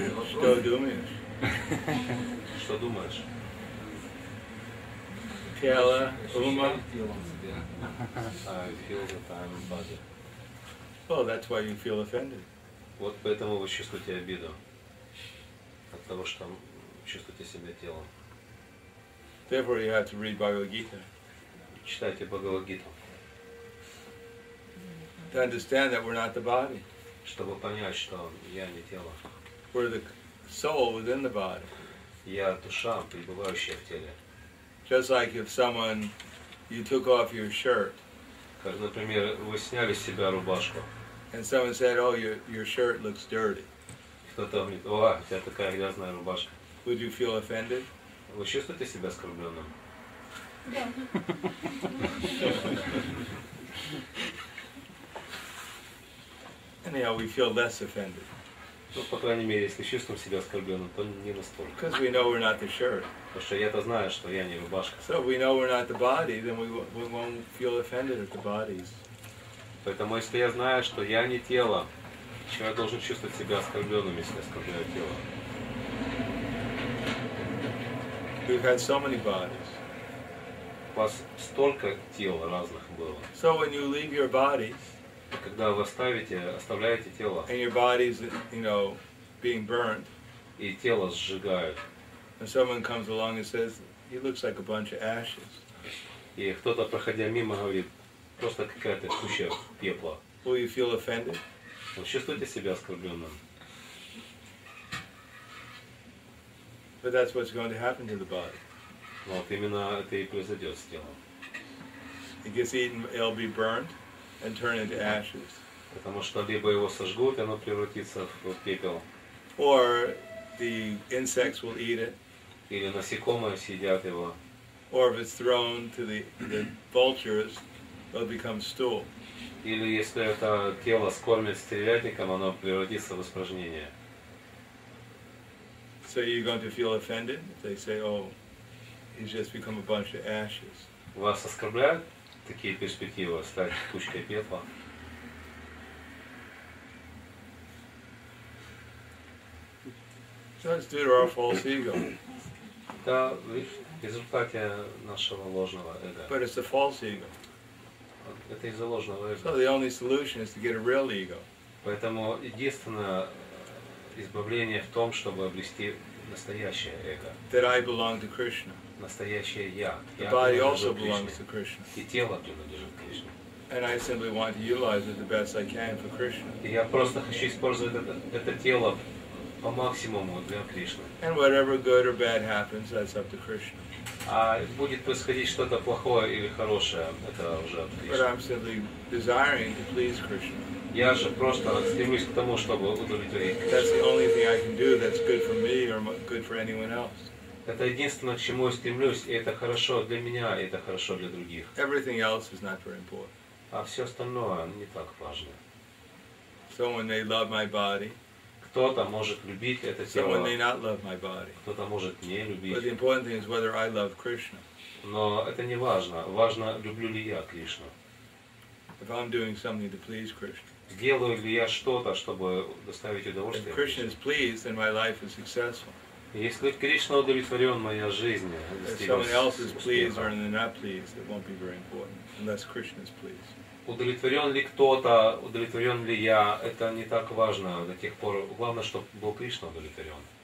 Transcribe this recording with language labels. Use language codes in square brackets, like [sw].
[ru] Что думаешь? Что думаешь? Тело, ума. [en] I feel that I'm a body. Well, that's why you feel offended. [ru] Вот поэтому вы чувствуете обиду от того, что чувствуете себя телом. [en] Therefore you have to read Bhagavad Gita. [ru] Читайте Бхагавад Гиту. [en] To understand that we're not the body. [ru] Чтобы понять, что я не тело. [en] We're the soul within the body. [ru] Я душа, пребывающая в теле. [en] Just like if someone, you took off your shirt. [ru] Как, например, вы сняли с себя рубашку. [en] And someone said, "Oh, your shirt looks dirty." [ru] Кто-то говорит, о, у тебя такая грязная рубашка. [en] Would you feel offended? [ru] Вы чувствуете себя оскорбленным? Да. [en] Anyhow, we feel less offended. [ru] Ну, по крайней мере, если чувствуем себя оскорбленным, то не настолько. [en] Because we know we're not the shirt. [ru] Потому что я-то знаю, что я не рубашка. [en] So if we know we're not the body, then we won't feel offended at the bodies. [ru] Поэтому, если я знаю, что я не тело, почему я должен чувствовать себя оскорбленным, если я оскорбляю тело? [en] We've had so many bodies. [ru] У вас столько тел разных было. [en] So when you leave your body, [ru] когда вы оставляете тело, [en] and your body is, you know, being burned. [ru] И тело сжигают. [en] And someone comes along and says, he looks like a bunch of ashes. [ru] И кто-то, проходя мимо, говорит, просто какая-то куча пепла. [en] Will you feel offended? [ru] Чувствуете себя оскорбленным? [en] But that's what's going to happen to the body. [ru] Вот именно это и произойдет с телом. [en] It gets eaten, it'll be burned and turn into ashes. [ru] Потому что либо его сожгут, и оно превратится в пепел. [en] Or the insects will eat it. [ru] Или насекомые съедят его. [en] Or if it's thrown to the vultures, it'll become stool. [ru] Или если это тело скормят стервятникам, оно превратится в испражнение. [en] So you're going to feel offended if they say, oh, he's just become a bunch of ashes. [ru] Вас оскорбляют такие перспективы стать кучкой пепла? [en] That's due to our false ego. [ru] Это в результате нашего ложного эго. [en] But it's a false ego. [ru] Это из-за ложного эго. [en] So the only solution is to get a real ego. [ru] Поэтому единственное избавление в том, чтобы обрести настоящее эго. [en] That I belong to Krishna. [ru] Настоящее я. [en] The body also belongs to Krishna. [ru] И тело принадлежит Кришне. [en] And I simply want to utilize it the best I can for Krishna. [ru] И я просто хочу использовать это тело по максимуму для Кришны. [en] And whatever good or bad happens, that's up to Krishna. [ru] А будет происходить что-то плохое или хорошее, это уже от Кришны. [en] But I'm simply desiring to please Krishna. [ru] Я же просто стремлюсь к тому, чтобы удовлетворить Кришну. [en] That's the only thing I can do that's good for me or good for anyone else. [ru] Это единственное, к чему я стремлюсь, и это хорошо для меня, и это хорошо для других. [en] Everything else is not very important. [ru] А все остальное не так важно. [en] Someone may love my body. [ru] Кто-то может любить это тело. [en] Someone may not love my body. [ru] Кто-то может не любить. [en] But the important thing is whether I love Krishna. [ru] Но это не важно. Важно, люблю ли я Кришну. [en] If I'm doing something to please Krishna. [ru] Делаю ли я что-то, чтобы доставить удовольствие? [en] If Krishna is pleased, then my life is successful. [ru] Если Кришна удовлетворен, моя жизнь достигнет. [en] If someone else is pleased or they're not pleased, it won't be very important, unless Krishna is pleased. [ru] Удовлетворен ли кто-то, удовлетворен ли я, это не так важно до тех пор. Главное, чтобы был Кришна удовлетворен.